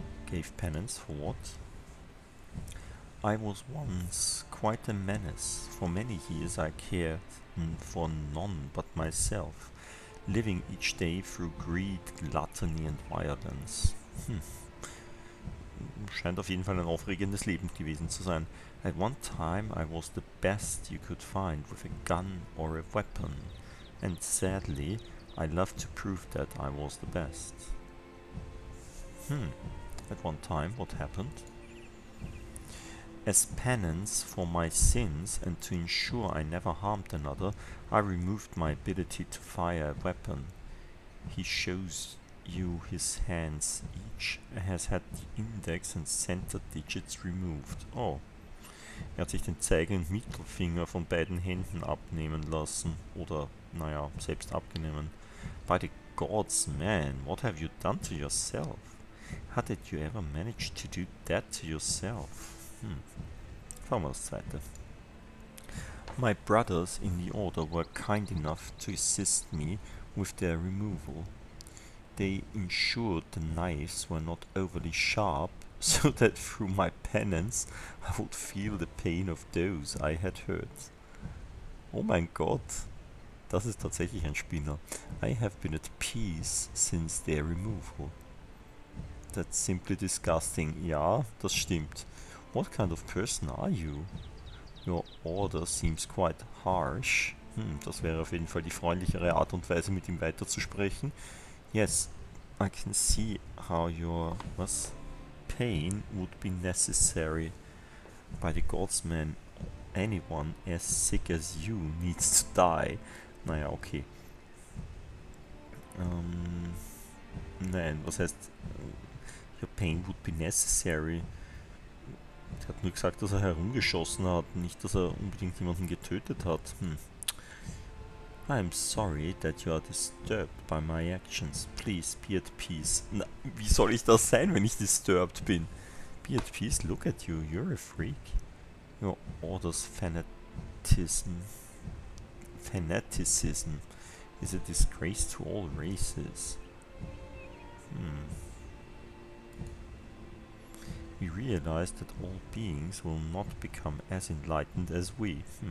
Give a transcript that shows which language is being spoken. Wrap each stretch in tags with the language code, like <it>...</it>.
<en>Gave penance for what? I was once quite a menace. For many years I cared for none but myself. Living each day through greed, gluttony and violence.</en> <de>Scheint auf jeden Fall ein aufregendes Leben gewesen zu sein.</de> <en>At one time I was the best you could find with a gun or a weapon. And sadly, I love to prove that I was the best. At one time, what happened? As penance for my sins and to ensure I never harmed another, I removed my ability to fire a weapon. He shows you his hands. Each has had the index and center digits removed. Oh.</en> <de>Er hat sich den Zeige- und Mittelfinger von beiden Händen abnehmen lassen. Oder, naja, selbst abgenommen.</de> <en>By the gods, man, what have you done to yourself? How did you ever manage to do that to yourself?</en> <de>Fangen wir das Zweite.</de> <en>My brothers in the order were kind enough to assist me with their removal. They ensured the knives were not overly sharp, so that through my penance I would feel the pain of those I had hurt.</en> <de>Oh mein Gott, das ist tatsächlich ein Spinner.</de> <en>I have been at peace since their removal. That's simply disgusting.</en> <de>Ja, das stimmt.</de> <en>What kind of person are you? Your order seems quite harsh.</en> <de>Das wäre auf jeden Fall die freundlichere Art und Weise, mit ihm weiterzusprechen.</de> <en>Yes, I can see how your pain would be necessary. By the gods, man, anyone as sick as you needs to die.</en> <de>Naja, okay. Nein, was heißt,</de> <en>your pain would be necessary?</en> <de>Er hat nur gesagt, dass er herumgeschossen hat, nicht, dass er unbedingt jemanden getötet hat.</de> <en>I am sorry that you are disturbed by my actions. Please, be at peace.</en> <de>Na, wie soll ich das sein, wenn ich disturbed bin?</de> <en>Be at peace, look at you, you're a freak. Your order's fanaticism is a disgrace to all races. We realize that all beings will not become as enlightened as we.</en>